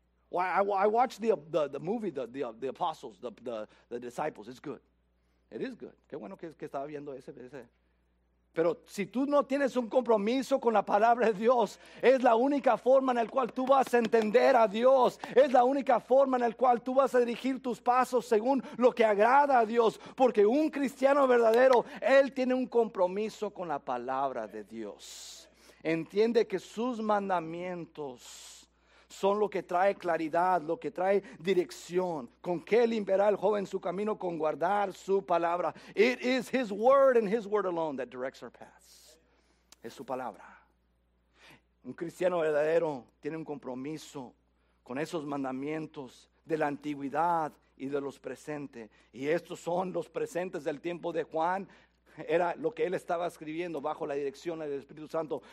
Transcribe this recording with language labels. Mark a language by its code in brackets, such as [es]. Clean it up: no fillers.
[en] Well, I watched the movie, the apostles, the disciples. It's good. It is good. [es] Qué bueno que estaba viendo ese. Pero si tú no tienes un compromiso con la palabra de Dios, es la única forma en la cual tú vas a entender a Dios. Es la única forma en la cual tú vas a dirigir tus pasos según lo que agrada a Dios. Porque un cristiano verdadero, él tiene un compromiso con la palabra de Dios. Entiende que sus mandamientos son lo que trae claridad, lo que trae dirección. ¿Con qué limpiará el joven su camino? Con guardar su palabra. [en] It is his word and his word alone that directs our paths. [es] Es su palabra. Un cristiano verdadero tiene un compromiso con esos mandamientos de la antigüedad y de los presentes. Y estos son los presentes del tiempo de Juan. Era lo que él estaba escribiendo bajo la dirección del Espíritu Santo.